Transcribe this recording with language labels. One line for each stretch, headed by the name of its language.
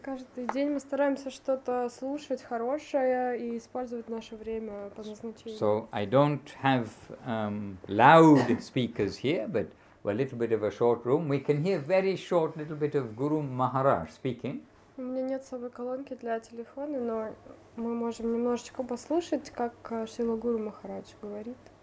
Russian: Каждый день мы стараемся что-то слушать хорошее и использовать наше время по назначению.
English: So I don't have loud speakers here, but a little bit of a short room. We can hear very short little bit of Guru Maharaj speaking.
Russian: У меня нет собой колонки для телефона, но мы можем немножечко послушать, как Шрила Гуру Махарадж говорит.